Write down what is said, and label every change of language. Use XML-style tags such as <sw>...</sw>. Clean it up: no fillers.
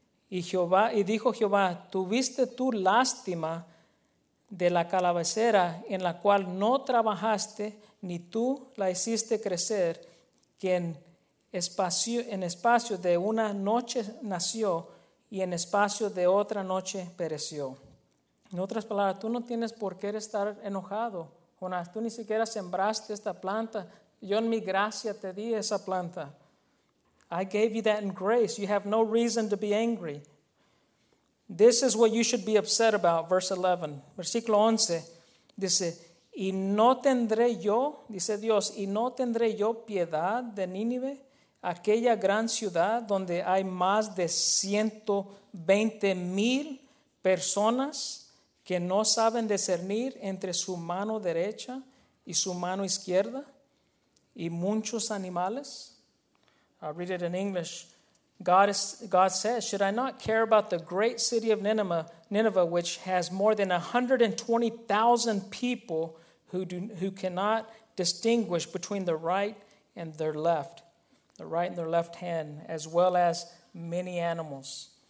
<es>Y dijo Jehová, ¿tuviste tú lástima de la calabacera en la cual no trabajaste, ni tú la hiciste crecer, quien en espacio de una noche nació y en espacio de otra noche pereció? En otras palabras, tú no tienes por qué estar enojado, Jonás. Tú ni siquiera sembraste esta planta. Yo en mi gracia te di esa planta.</es> <en>I gave you that in grace. You have no reason to be angry. This is what you should be upset about, verse 11.</en> <es>Versículo 11 dice, ¿y no tendré yo, dice Dios, y no tendré yo piedad de Nínive, aquella gran ciudad donde hay más de 120,000 personas que no saben discernir entre su mano derecha y su mano izquierda, y muchos animales?</es> <en>I'll read it in English. God says, should I not care about the great city of Nineveh, which has more than 120,000 people who cannot distinguish between the right and their left, the right and their left hand, as well as many animals?</en>